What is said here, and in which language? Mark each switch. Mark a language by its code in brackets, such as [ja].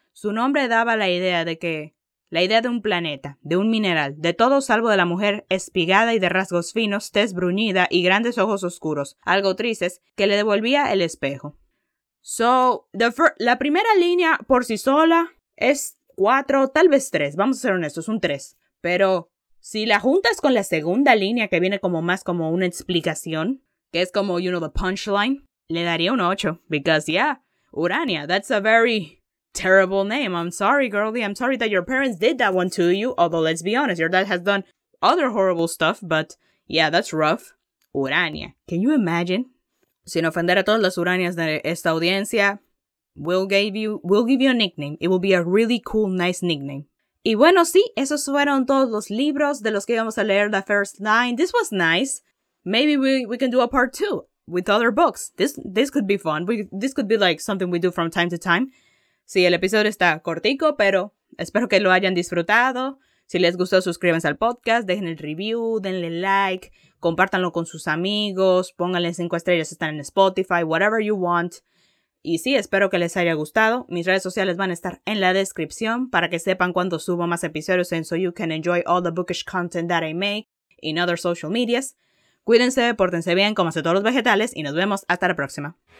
[es] Su nombre daba la idea de que, la idea de un planeta, de un mineral, de todo salvo de la mujer espigada y de rasgos finos, tez bruñida y grandes ojos oscuros, algo tristes, que le devolvía el espejo. So, la primera línea por sí sola es 4, tal vez 3. Vamos a ser honestos, un 3. Pero si la juntas con la segunda línea, que viene como más como una explicación, que es como, [en] you know, the punchline, [es] le daría un 8. [en] Because, yeah, Urania, that's a very terrible name. I'm sorry, girlie. I'm sorry that your parents did that one to you. Although, let's be honest, your dad has done other horrible stuff. But, yeah, that's rough. Urania, can you imagine? [es] Sin ofender a todas las Uranias de esta audiencia, [en] we'll give you a nickname. It will be a really cool, nice nickname. [es] Y bueno, sí, esos fueron todos los libros de los que íbamos a leer [en] the first 9. This was nice. Maybe we can do a part 2 with other books. This could be fun. This could be like something we do from time to time. [es] Sí, el episodio está cortico, pero espero que lo hayan disfrutado. Si les gustó, suscríbanse al podcast, dejen el review, denle like, compártanlo con sus amigos, pónganle 5 estrellas, están en Spotify, [en] whatever you want. [es] Y sí, espero que les haya gustado. Mis redes sociales van a estar en la descripción para que sepan cuando subo más episodios [en] and so you can enjoy all the bookish content that I make in other social medias. [es] Cuídense, pórtense bien, cómanse todos los vegetales y nos vemos hasta la próxima.